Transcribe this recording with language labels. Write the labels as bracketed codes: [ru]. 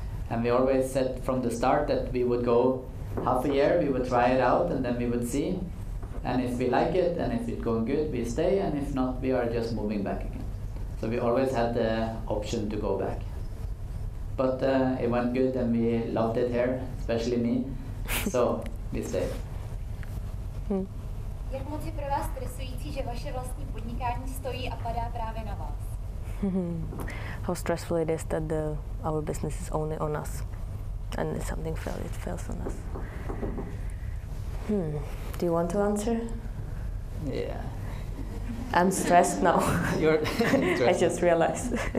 [en] And we always said from the start that we would go half a year, we would try it out and then we would see. And if we like it, and if it's going good, we stay, and if not, we are just moving back again. So we always had the option to go back. But it went good, and we loved it here, especially me. So we stay. [cs] Jak moc je pro vás stresující, že vaše vlastní podnikání stojí a padá právě na vás? [en] How stressful it is that our business is only on us, and if something fails, it fails on us. Do you want to answer? Yeah. I'm stressed now. You're stressed. I just realized.